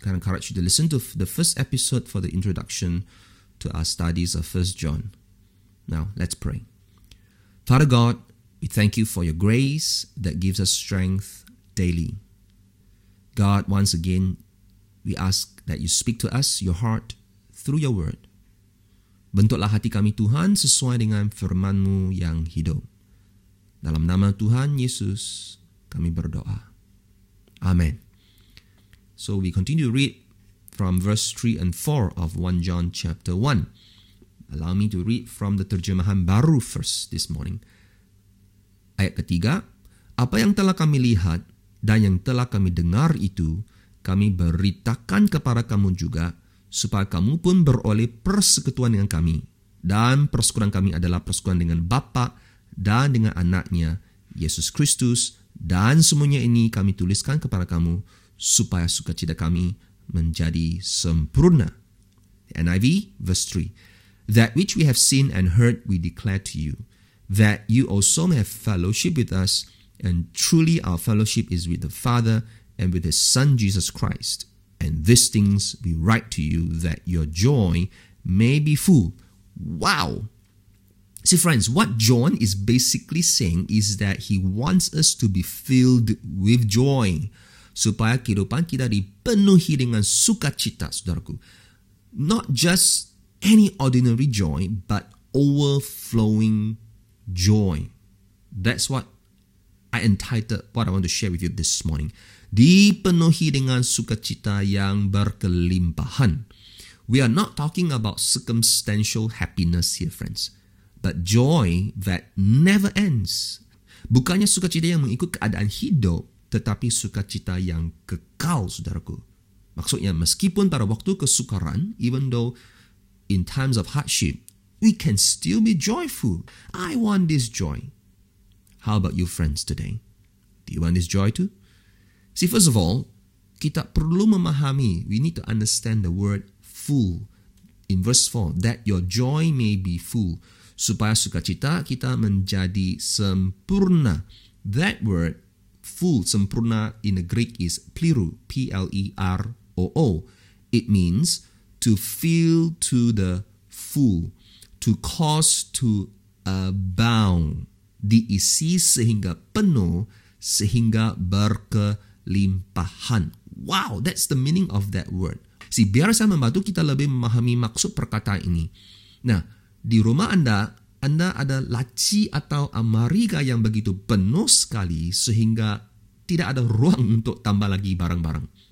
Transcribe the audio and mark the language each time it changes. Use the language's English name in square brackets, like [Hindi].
[English] Can I encourage you to listen to the first episode for the introduction to our studies of 1 John. Now, let's pray. Father God, we thank you for your grace that gives us strength daily. God, once again, we ask that you speak to us, your heart, through your word. [Indonesian] Bentuklah hati kami Tuhan sesuai dengan firman-Mu yang hidup. Dalam nama Tuhan Yesus, kami berdoa. Amen. [English] So we continue to read from verse 3 and 4 of 1 John chapter 1. Allow me to read from the terjemahan baru first this morning. [Indonesian] Ayat ketiga, apa yang telah kami lihat dan yang telah kami dengar itu, kami beritakan kepada kamu juga, supaya kamu pun beroleh persekutuan dengan kami. Dan persekutuan kami adalah persekutuan dengan Bapa dan dengan anaknya, Yesus Kristus. Dan semuanya ini kami tuliskan kepada kamu, supaya sukacita kami menjadi sempurna. [English] NIV, verse 3. That which we have seen and heard, we declare to you, that you also may have fellowship with us, and truly our fellowship is with the Father and with His Son, Jesus Christ. And these things we write to you that your joy may be full. Wow! See, friends, what John is basically saying is that he wants us to be filled with joy. [Indonesian] Supaya kehidupan kita dipenuhi dengan sukacita, saudaraku. [English] Not just any ordinary joy, but overflowing joy. That's what I entitled what I want to share with you this morning. [Indonesian] Dipenuhi dengan sukacita yang berkelimpahan. [English] We are not talking about circumstantial happiness here, friends. But joy that never ends. [Indonesian] Bukannya sukacita yang mengikut keadaan hidup, tetapi sukacita yang kekal, saudaraku. Maksudnya, meskipun pada waktu kesukaran, [English] even though in times of hardship, we can still be joyful. I want this joy. How about you, friends, today? Do you want this joy too? See, first of all, [Indonesian] kita perlu memahami, [English] we need to understand the word full in verse 4, that your joy may be full, [Indonesian] supaya sukacita kita menjadi sempurna. [English] That word, full, sempurna, in the Greek is plero, P-L-E-R-O-O. It means to fill to the full, to cause to abound. [Indonesian] Diisi sehingga penuh, sehingga berkelimpahan. [English] Wow, that's the meaning of that word. [Indonesian] See, biar saya membantu kita lebih memahami maksud perkataan ini. Nah, di rumah anda, anda ada laci atau amariga yang begitu penuh sekali sehingga tidak ada ruang untuk tambah lagi barang-barang.